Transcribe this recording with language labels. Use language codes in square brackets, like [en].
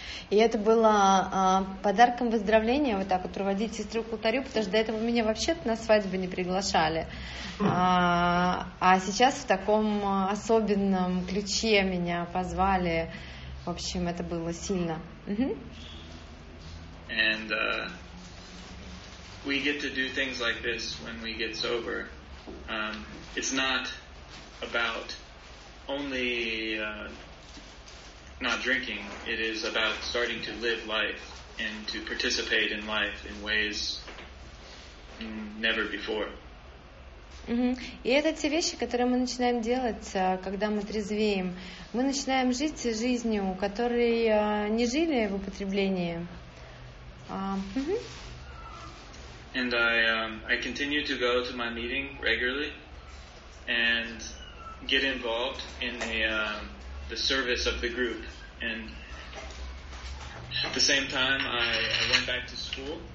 [ru] И это было подарком выздоровления, вот так вот проводить сестру к алтарю, потому что до этого меня вообще-то на свадьбу не приглашали. А сейчас в таком особенном ключе меня позвали. В общем, это было сильно. [en] And we get to do things like this when we get sober. It's not about only... not drinking, it is about starting to live life and to participate in life in ways never before. [ru] И это те вещи, которые мы начинаем делать, когда мы трезвеем. Мы начинаем жить жизнью, которой не жили в употреблении. [en] And I continue to go to my meeting regularly and get involved in the service of the group. And at the same time, I went back to school.